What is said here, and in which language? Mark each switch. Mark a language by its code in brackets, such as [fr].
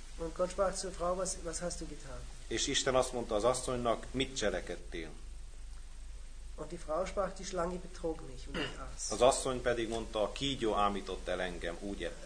[de] Und Gott sprach zur Frau, was hast du getan? [hu] És Isten azt mondta az asszonynak, mit cselekedtél? [de] Und die Frau sprach, die Schlange betrog mich und ich aß. [hu] Az asszony pedig mondta, a kígyó ámított el engem, úgy ettem.